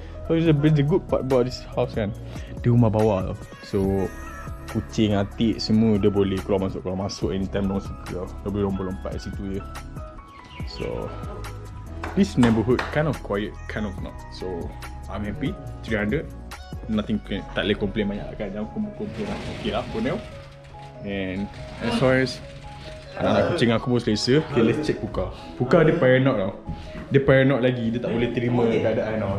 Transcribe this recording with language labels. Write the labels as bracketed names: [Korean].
[English] So it's the good part about this house kan. [Malay] Dia rumah bawah tau. So kucing, atik semua dia boleh keluar masuk. Keluar masuk anytime dia suka tau. Dia boleh lompat-lompat situ je. [English] So this neighborhood kind of quiet, kind of not. So I'm happy. 300. Nothing can, [Malay] tak boleh complain banyak kan. Jangan kumpul-kumpul lah. [English] Okay lah for now. And as far as [Malay] anak-anak kucing aku pun selesa. [English] Okay, let's check Puka. [Malay] Puka dia paranoid tau. Dia paranoid lagi. Dia tak boleh terima keadaan tau.